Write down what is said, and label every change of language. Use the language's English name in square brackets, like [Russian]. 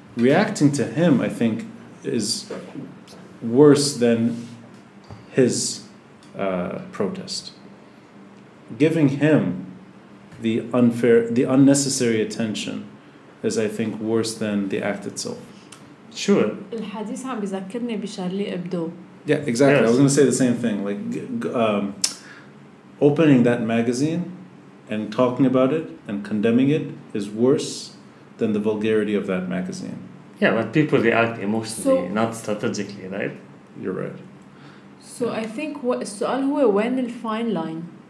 [English] Reacting to him, I think, is worse than his protest. Giving him the unfair, the unnecessary attention is, I think, worse than the act itself. Sure. [Arabic] الحديث عم بيذكرني بشارلي إبدو. [English] Yeah, exactly. Yes. I was going to say the same thing. Like, opening that magazine and talking about it and condemning it is worse than the vulgarity of that magazine. Yeah, but people react emotionally, so, not strategically, right? You're right. So I think what [Arabic] السؤال هو وين الفاين لاين.